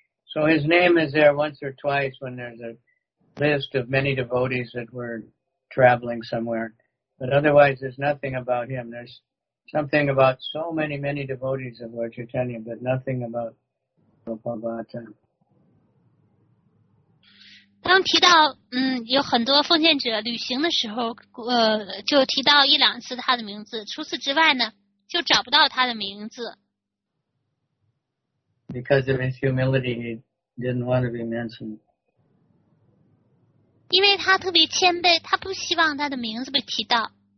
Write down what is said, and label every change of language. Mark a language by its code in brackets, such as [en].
[en] So his name is there once or twice when there's a list of many devotees that were traveling somewhere. But otherwise, there's nothing about him. There's something about so many, many devotees of Lord Chaitanya, but nothing about Gopal Bhatta. [zh] 当提到有很多奉献者旅行的时候就提到一两次他的名字，除此之外呢就找不到他的名字。 [en] Because of his humility, he didn't want to be mentioned. [zh] 因为他特别谦卑，他不希望他的名字被提到。